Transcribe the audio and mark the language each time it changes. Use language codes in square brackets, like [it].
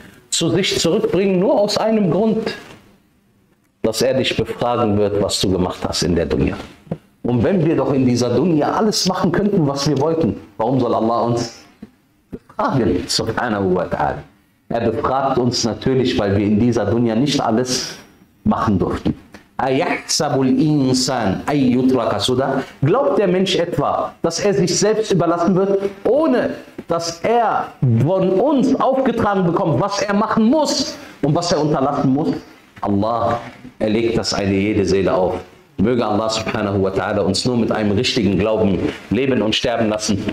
[de] Zu sich zurückbringen nur aus einem Grund, dass er dich befragen wird, was du gemacht hast in der Dunya. Und wenn wir doch in dieser Dunya alles machen könnten, was wir wollten, warum soll Allah uns befragen? Subhanahu wa ta'ala. Er befragt uns natürlich, weil wir in dieser Dunya nicht alles machen durften. [ar] أَيَحْسَبُ الْإِنسَانُ أَيْ يُتْرَكَ سُدًى. [de] Glaubt der Mensch etwa, dass er sich selbst überlassen wird, ohne dass er von uns aufgetragen bekommt, was er machen muss und was er unterlassen muss? Allah, er legt das eine jede Seele auf. Möge Allah subhanahu wa ta'ala uns nur mit einem richtigen Glauben leben und sterben lassen.